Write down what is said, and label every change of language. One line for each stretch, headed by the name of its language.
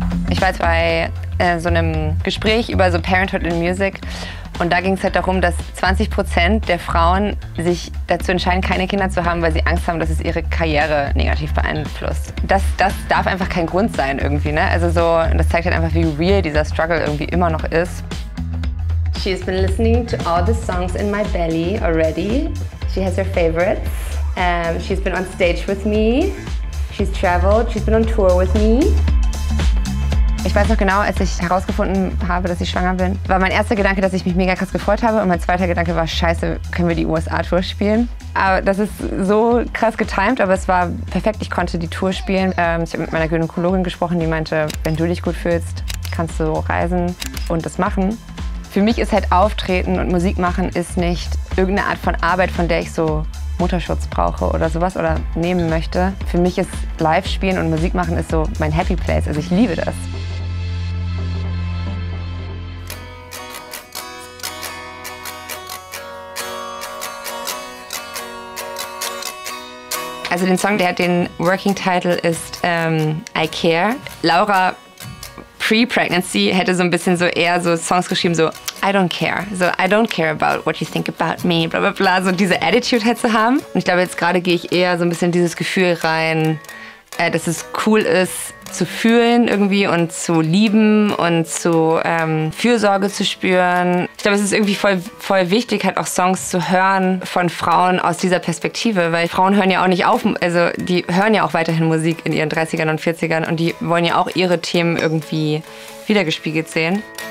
German: Ich war jetzt bei so einem Gespräch über so
English: Parenthood in Music
German: und da ging es halt darum, dass 20% der Frauen sich dazu entscheiden, keine Kinder zu haben, weil sie Angst haben, dass es ihre Karriere negativ beeinflusst. Das darf einfach kein Grund sein irgendwie, ne? Also so, das zeigt halt einfach, wie real dieser Struggle irgendwie immer noch ist.
English: She has been listening to all the songs in my belly already. She has her favorites. She's been on stage with me. She's traveled. She's been on tour with me.
German: Ich weiß noch genau, als ich herausgefunden habe, dass ich schwanger bin, war mein erster Gedanke, dass ich mich mega krass gefreut habe. Und mein zweiter Gedanke war, scheiße, können wir die USA-Tour spielen? Aber das ist so krass getimt, aber es war perfekt. Ich konnte die Tour spielen. Ich habe mit meiner Gynäkologin gesprochen, die meinte, wenn du dich gut fühlst, kannst du reisen und das machen. Für mich ist halt Auftreten und Musik machen ist nicht irgendeine Art von Arbeit, von der ich so Mutterschutz brauche oder sowas oder nehmen möchte. Für mich ist live spielen und Musik machen ist so mein Happy Place. Also ich liebe das. Also den Song, der hat den Working Title ist I Care. Laura pre-Pregnancy hätte so ein bisschen so eher so Songs geschrieben, so
English: I don't care. So I don't care about what you think about me, bla bla bla.
German: So diese Attitude halt zu haben. Und ich glaube, jetzt gerade gehe ich eher so ein bisschen dieses Gefühl rein, dass es cool ist zu fühlen irgendwie und zu lieben und zu Fürsorge zu spüren. Ich glaube, es ist irgendwie voll, voll wichtig, halt auch Songs zu hören von Frauen aus dieser Perspektive, weil Frauen hören ja auch nicht auf, also die hören ja auch weiterhin Musik in ihren 30ern und 40ern und die wollen ja auch ihre Themen irgendwie widergespiegelt sehen.